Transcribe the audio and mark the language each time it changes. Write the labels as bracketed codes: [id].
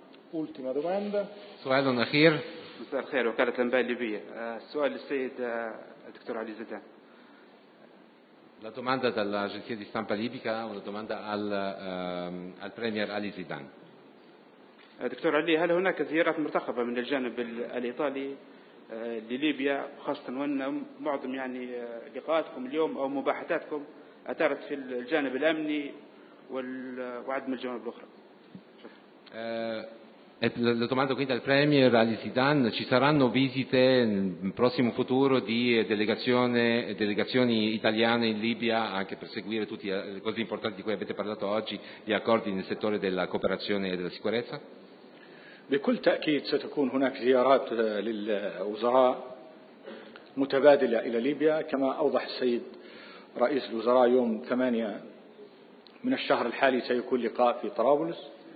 [it] Ultima domanda. Suelo Nahir. Suelo Nahir, Suelo Seyed, dottor Alizadeh. La domanda dall'agenzia di stampa libica, una domanda al Premier Ali Zidane. [ar] دكتور علي هل هناك زيارات مرتقبة من الجانب الإيطالي لليبيا خاصة وأن معظم يعني لقاءاتكم اليوم أو مباحثاتكم أثرت في الجانب الأمني وعدم الجوانب الأخرى؟ [it] La domanda quindi al Premier, agli Zidane: ci saranno visite in prossimo futuro di delegazioni italiane in Libia, anche per seguire tutte le cose importanti di cui avete parlato oggi, gli accordi nel settore della cooperazione e della sicurezza? [ar] بكل تأكيد ستكون هناك زيارات للوزراء متبادلة إلى ليبيا، كما أوضح السيد رئيس الوزراء يوم 8 من الشهر الحالي سيكون لقاء في طرابلس.